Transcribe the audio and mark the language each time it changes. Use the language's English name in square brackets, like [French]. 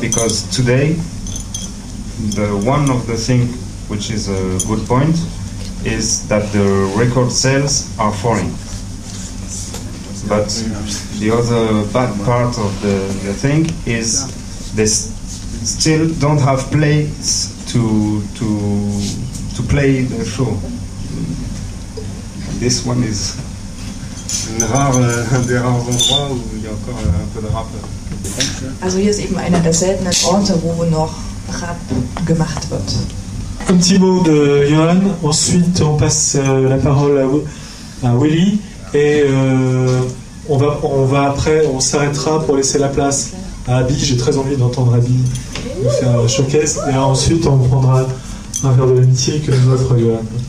[English] Because today, the one of the thing which is a good point is that the record sales are falling. But the other bad part of the thing is they still don't have place to play the show. This one is [German] also hier ist eben einer der seltenen Orte, wo noch Rap gemacht wird. [French] Un petit mot de Johan, ensuite on passe la parole à Willy et on va après, on s'arrêtera pour laisser la place à Abby. J'ai très envie d'entendre Abby nous faire un showcase et ensuite on prendra un verre de l'amitié que nous offre Johan.